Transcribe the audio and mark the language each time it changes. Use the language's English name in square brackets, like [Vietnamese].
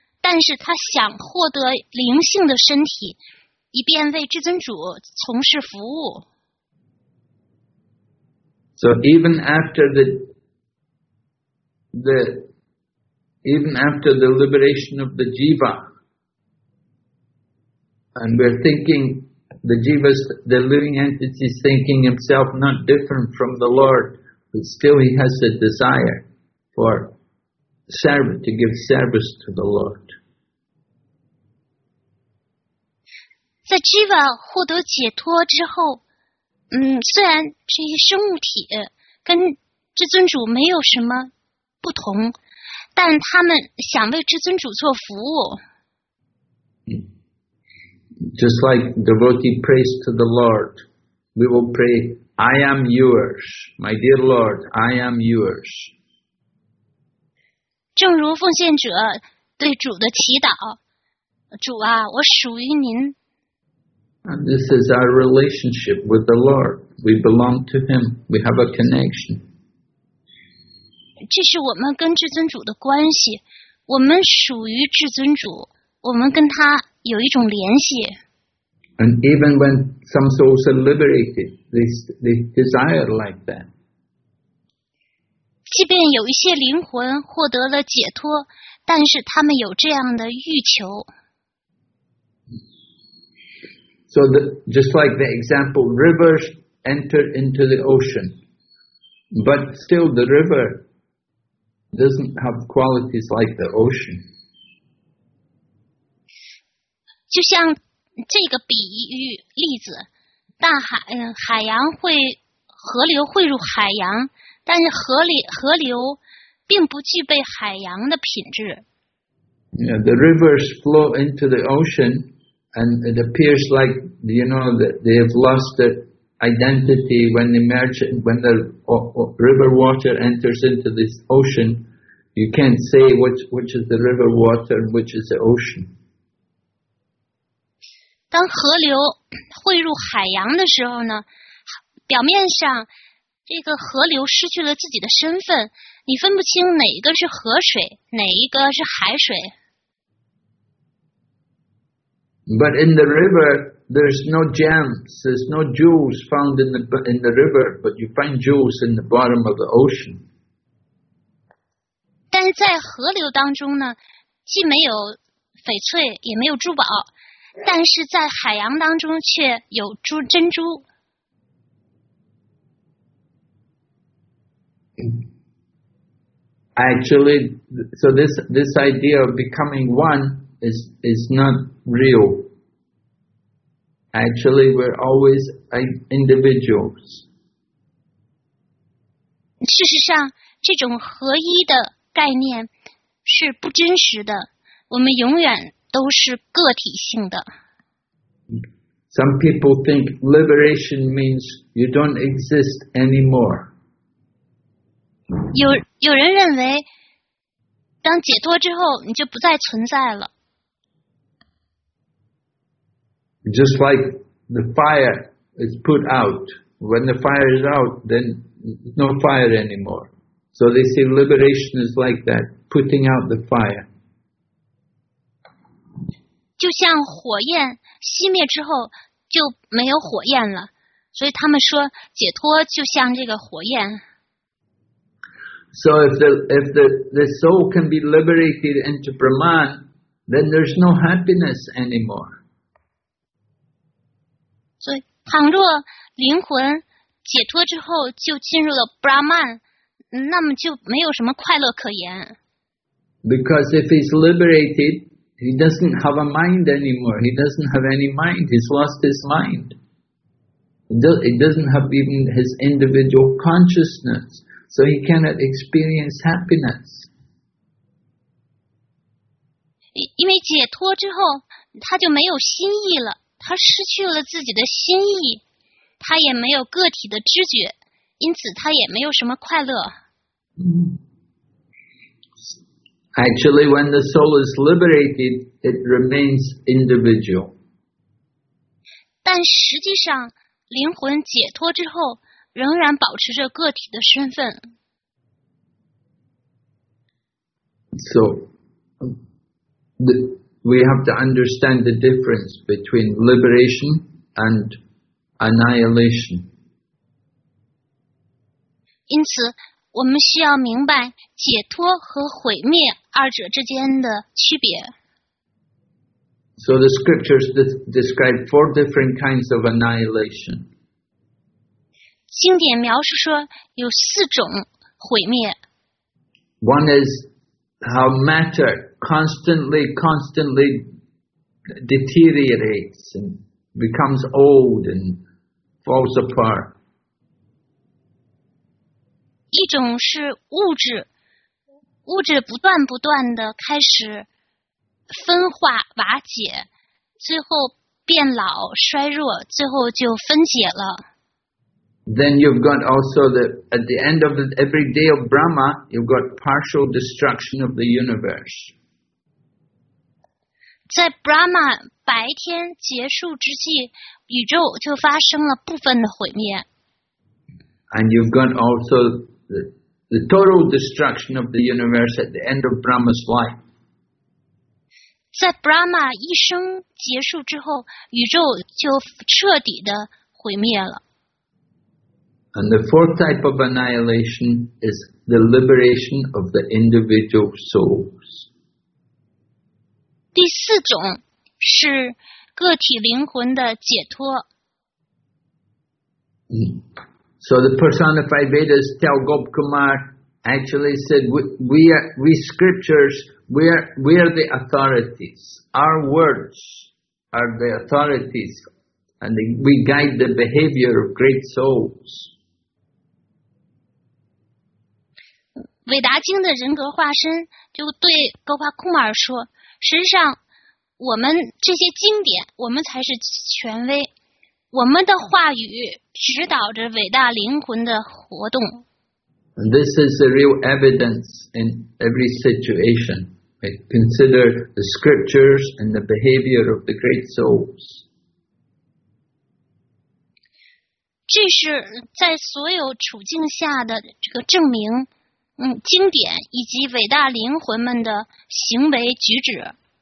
[Chinese] 但是他想获得灵性的身体，以便为至尊主从事服务。 [English] So even after the liberation of the jiva, and we're thinking the jiva's the living entity is thinking himself not different from the Lord, but still he has a desire for service, to give service to the Lord. [Chinese] 在 jiva 获得解脱之后，虽然这些生物体跟至尊主没有什么不同，但他们想为至尊主做服务。 [English] Just like devotee prays to the Lord, we will pray, I am yours, my dear Lord, I am yours. [Chinese] 正如奉献者对主的祈祷，主啊，我属于您。 [English] And this is our relationship with the Lord. We belong to Him. We have a connection. [Chinese] 这是我们跟至尊主的关系。我们属于至尊主。我们跟他有一种联系。 [English] And even when some souls are liberated, they desire like that. [Chinese] 即便有一些灵魂获得了解脱，但是他们有这样的欲求。 [English] So just like the example, rivers enter into the ocean, but still the river doesn't have qualities like the ocean. [Chinese] 就像这个比喻例子，大海海洋会河流汇入海洋，但是河流并不具备海洋的品质。 [English] Yeah, the rivers flow into the ocean. And it appears like, you know, that they have lost their identity when they merge, when the river water enters into this ocean. You can't say which is the river water and which is the ocean. [Chinese] 当河流汇入海洋的时候呢，表面上这个河流失去了自己的身份，你分不清哪一个是河水，哪一个是海水。 [English] But in the river, there's no gems, there's no jewels found in the river, but you find jewels in the bottom of the ocean. [Chinese] 但是在河流当中呢，既没有翡翠，也没有珠宝，但是在海洋当中却有珍珠。 [English] Actually, so this idea of becoming one is not real. Actually, we're always individuals. [Chinese] 事实上，这种合一的概念是不真实的。我们永远都是个体性的。 [English] Some people think liberation means you don't exist anymore. [Chinese] 有人认为，当解脱之后，你就不再存在了。 [English] Just like the fire is put out. When the fire is out, then no fire anymore. So they say liberation is like that, putting out the fire. [Chinese] 就像火焰熄灭之后就没有火焰了。所以他们说解脱就像这个火焰。 [English] So if the soul can be liberated into Brahman, then there's no happiness anymore. [Chinese] 所以，倘若灵魂解脱之后就进入了 Brahman, 那么就没有什么快乐可言。 [English] Because if he's liberated, he doesn't have a mind anymore. He doesn't have any mind. He's lost his mind. He doesn't have even his individual consciousness. So he cannot experience happiness. [Chinese] 因为解脱之后，他就没有心意了。他失去了自己的心意，他也没有个体的知觉，因此他也没有什么快乐。 [English] Actually, when the soul is liberated, it remains individual. [Chinese] 但实际上，灵魂解脱之后，仍然保持着个体的身份。 [English] So, we have to understand the difference between liberation and annihilation. [Chinese] 因此，我们需要明白解脱和毁灭二者之间的区别。 [English] So the scriptures describe four different kinds of annihilation. [Chinese] 经典描述说有四种毁灭。 [English] One is how matter constantly deteriorates and becomes old and falls apart. [Chinese] 一种是物质不断地开始分化瓦解，最后变老衰弱，最后就分解了。 [English] Then you've got also at the end of every day of Brahma, you've got partial destruction of the universe. [Chinese] 在 Brahma 白天结束之际，宇宙就发生了部分的毁灭。 [English] And you've got also the total destruction of the universe at the end of Brahma's life. [Chinese] 在 Brahma 一生结束之后，宇宙就彻底的毁灭了。 [English] And the fourth type of annihilation is the liberation of the individual souls. [Chinese] 第四种是个体灵魂的解脱。 [English] So the personified Vedas tell Gop Kumar, actually said, we are the authorities. Our words are the authorities, and we guide the behavior of great souls. [Chinese] 韦达经的人格化身就对 Gop Kumar 说，实际上我们这些经典，我们才是权威。我们的话语指导着伟大灵魂的活动。 [English] And this is the real evidence in every situation. Consider the scriptures and the behavior of the great souls. [Chinese] 这是在所有处境下的这个证明，经典以及伟大灵魂们的行为举止。